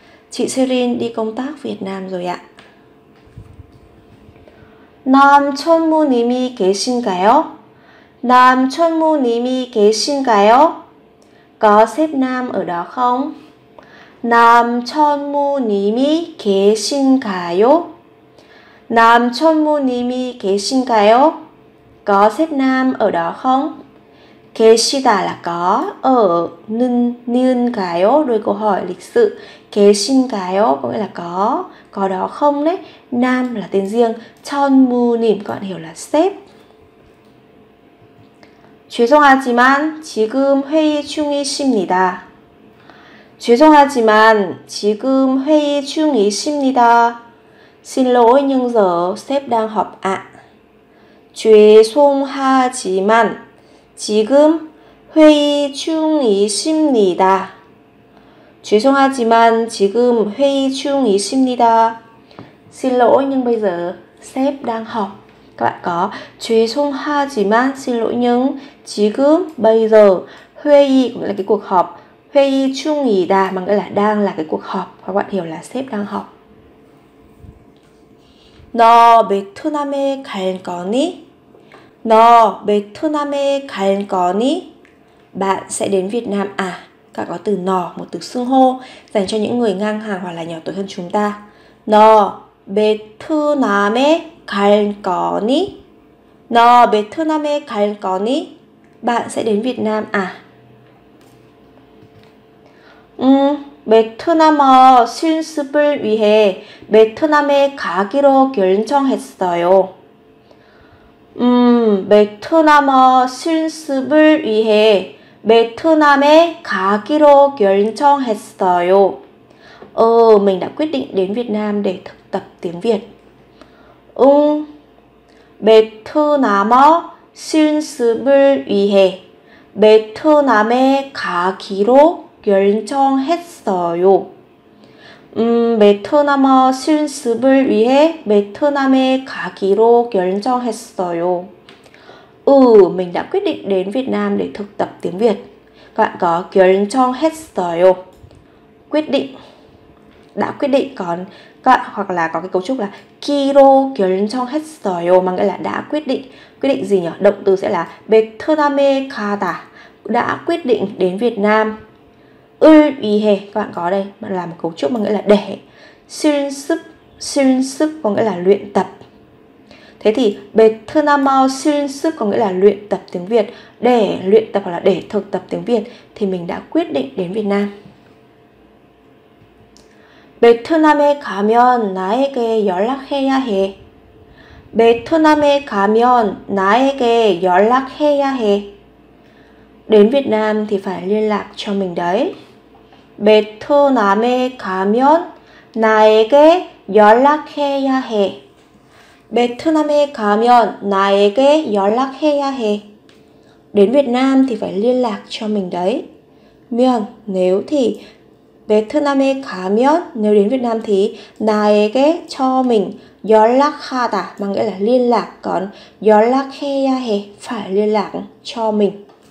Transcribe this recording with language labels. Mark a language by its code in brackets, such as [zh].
[vi] Chị Serin đi công tác Việt Nam rồi ạ. [ko] 남천무님이 계신가요? 남천무님이 계신가요? [vi] Có sếp nam ở đó không? [ko] 남천무님이 계신가요? 남천무님이 계신가요? [vi] Có sếp nam ở đó không? 계시다 là có, ở, 는가요? Đôi câu hỏi lịch sự. 계신가요? Có nghĩa là có đó không đấy. Nam là tên riêng. 천무님, các bạn hiểu là sếp. [ko] 죄송하지만 지금 회의 중이십니다. 죄송하지만 지금 회의 중이십니다. [vi] Xin lỗi nhưng giờ sếp đang họp ạ. [ko] 죄송하지만 지금 회의 중이십니다. 죄송하지만 지금 회의 중이십니다. [vi] Xin lỗi nhưng bây giờ sếp đang họp. Các bạn có 죄송하지만 xin lỗi nhưng 지금 bây giờ 회의 là cái cuộc họp 회의 중이다 mà nghĩa là đang là cái cuộc họp các bạn hiểu là sếp đang họp. [ko] 너 베트남에 갈 거니? 너 베트남에 갈 거니? [vi] Bạn sẽ đến Việt Nam à? Các bạn có từ 너 một từ xưng hô dành cho những người ngang hàng hoặc là nhỏ tuổi hơn chúng ta. [ko] 너 베트남에 갈 거니? 너 베트남에 갈 거니? [vi] Bạn sẽ đến Việt Nam à? [ko] 베트남어 실습을 위해 베트남에 가기로 결정했어요. 베트남어 실습을 위해 베트남에 가기로 결정했어요. [vi] Mình đã quyết định đến Việt Nam để thực tập tiếng Việt. [ko] 베트남어 실습을 위해 베트남에 가기로 결정했어요. 베트남어 실습을 위해 베트남에 가기로 결정했어요. [vi] Mình đã quyết định đến Việt Nam để thực tập tiếng Việt. Bạn có 결정했어요. Quyết định. Đã quyết định còn các hoặc là có cái cấu trúc là 기로 결정했어요 mà nghĩa là đã quyết định. Quyết định gì nhỉ? Động từ sẽ là 베트남에 가다. Đã quyết định đến Việt Nam. 을 위해 các bạn có đây mà là một cấu trúc mà nghĩa là để. 실습 실습 có nghĩa là luyện tập. Thế thì 베트남어 실습 có nghĩa là luyện tập tiếng Việt, để luyện tập hoặc là để thực tập tiếng Việt thì mình đã quyết định đến Việt Nam. [ko] 베트남에 가면 나에게 연락해야 해. 베트남에 가면 나에게 연락해야 해. [vi] Đến Việt Nam thì phải liên lạc cho mình đấy. [ko] 베트남에 가면 나에게 연락해야 해. 베트남에 가면 나에게 연락해야 해. [vi] Đến Việt Nam thì phải liên lạc cho mình đấy. 면 nếu thì 베트남에 가면 nếu đến Việt Nam thì 나에게 cho mình 연락하다 mà nghĩa là liên lạc còn 연락해야 해 phải liên lạc cho mình.